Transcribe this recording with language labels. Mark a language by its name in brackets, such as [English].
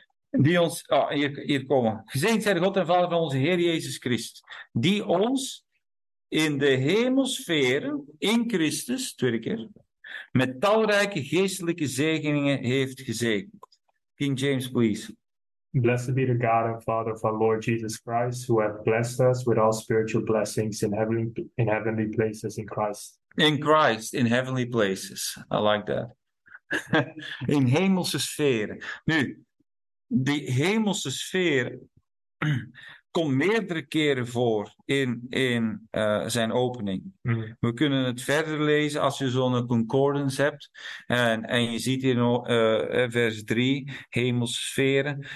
[Dutch] Die ons, hier komen. Gezegend zij de God en Vader van onze Heer Jezus Christus, die ons in de hemelsferen in Christus, tweede keer, met talrijke geestelijke zegeningen heeft gezegend. [English] King James, please. Blessed be the God and Father of our Lord Jesus Christ, who hath blessed us with all spiritual blessings in heavenly places in Christ. In Christ, in heavenly places. I like that. [Dutch] In hemelse sferen. Nu, die hemelse sfeer komt meerdere keren voor in zijn opening. We kunnen het verder lezen als je zo'n concordance hebt. En je ziet in vers 3, hemelse sferen.